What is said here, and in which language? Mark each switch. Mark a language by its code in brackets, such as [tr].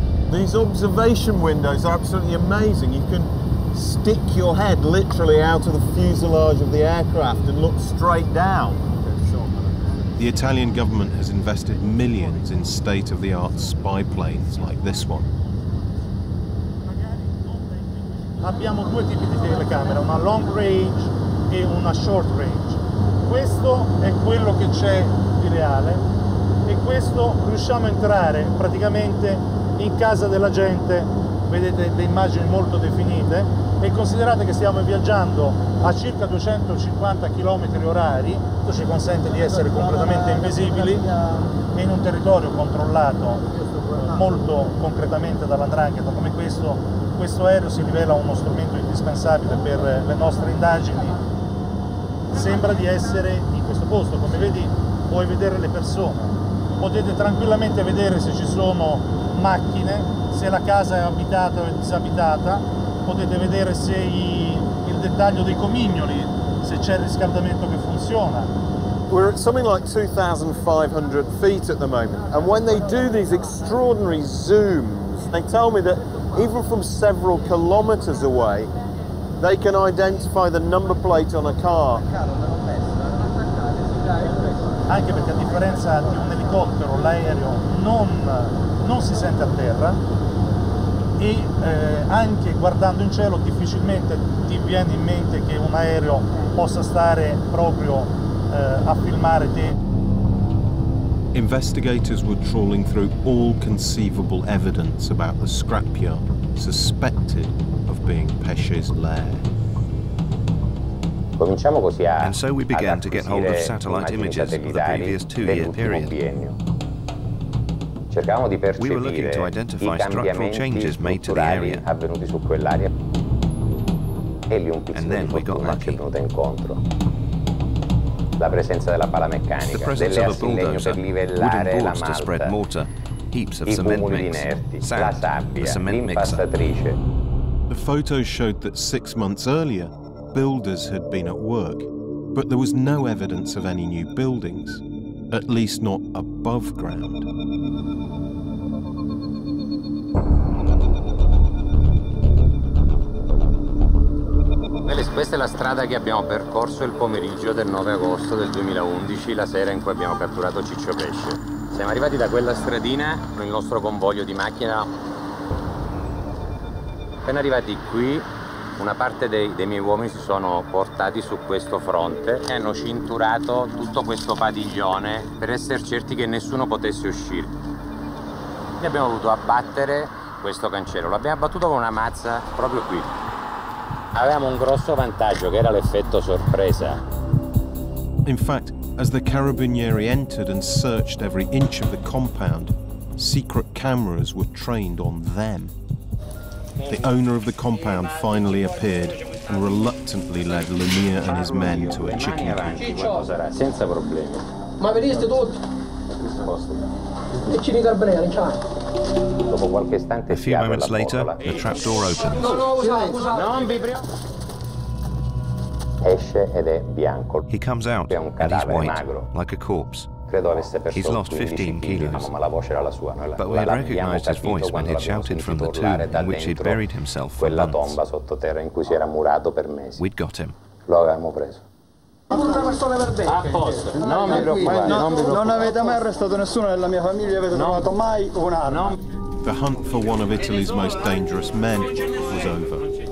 [en] These observation windows are absolutely amazing. You can stick your head literally out of the fuselage of the aircraft and look straight down. The Italian government has invested millions in state-of-the-art spy planes like this one. [it] Abbiamo due tipi di telecamera, una long range e una short range. Questo è quello che c'è di reale e questo riusciamo a entrare praticamente in casa della gente vedete le immagini molto definite, e considerate che stiamo viaggiando a circa 250 km orari, questo ci consente di essere completamente invisibili in un territorio controllato molto concretamente dalla 'Ndrangheta. Come questo, questo aereo si rivela uno strumento indispensabile per le nostre indagini. Sembra di essere in questo posto, come vedi puoi vedere le persone, potete tranquillamente vedere se ci sono macchine, se la casa è abitata o è disabitata, potete vedere se il dettaglio dei comignoli, se c'è il riscaldamento che funziona. [en] We're at something like 2,500 feet at the moment, and when they do these extraordinary zooms, they tell me that even from several kilometers away, they can identify the number plate on a car. [it] Anche perché a differenza di un elicottero, l'aereo non si sente a terra, e anche guardando in cielo difficilmente ti viene in mente che un aereo possa stare proprio a filmare te. [en] Investigators were trawling through all conceivable evidence about the scrapyard suspected of being Pesce's lair. [it] Cominciamo così a, [en] and so we began to get hold of satellite images of the previous two-year period. [it] Cercavamo di percepire i cambiamenti strutturali [en] made to the area. [it] Avvenuti su quell'area, e lì un pizzico di fortuna ci è venuto incontro. La presenza della pala meccanica, delle assi in legno per livellare la malta, i cumuli di inerti, la sabbia, l'impastatrice. [en] The photos showed that 6 months earlier, builders had been at work, but there was no evidence of any new buildings, at least not above ground. [it] Questa è la strada che abbiamo percorso il pomeriggio del 9 agosto del 2011, la sera in cui abbiamo catturato Ciccio Pesce. Siamo arrivati da quella stradina con il nostro convoglio di macchina. Appena arrivati qui, una parte dei miei uomini si sono portati su questo fronte e hanno cinturato tutto questo padiglione per essere certi che nessuno potesse uscire. E abbiamo dovuto abbattere questo cancello. L'abbiamo abbattuto con una mazza proprio qui. Avevamo un grosso vantaggio, che era l'effetto sorpresa. [en] In fact, as the carabinieri entered and searched every inch of the compound, secret cameras were trained on them. The owner of the compound finally appeared and reluctantly led Lumia and his men to a chicken coop. [it] Senza problemi. Ma vedeste tutto? E ci dica il breve, ciao. Dopo qualche istante [en] a few moments later, the trap door opens. [it] No, non vi pre... Esce ed è bianco. [en] He comes out, [it] è un cadavere magro, [en] like a corpse. [it] Credo avesse perso. [en] He's lost 15 kilos, [it] diciamo, ma la voce era la sua. Noi [en] but we had recognized his voice when he shouted from the tomb in which he'd buried himself for [it] quella [en] months. [it] Tomba sottoterra in cui si era murato per mesi. [en] We'd got him. [it] Lo avevamo preso. Una persona per bene. A posto. Non mi preoccupate. Non avete mai arrestato nessuno nella mia famiglia, avete trovato mai un'arma. [en] The hunt for one of Italy's most dangerous men was over.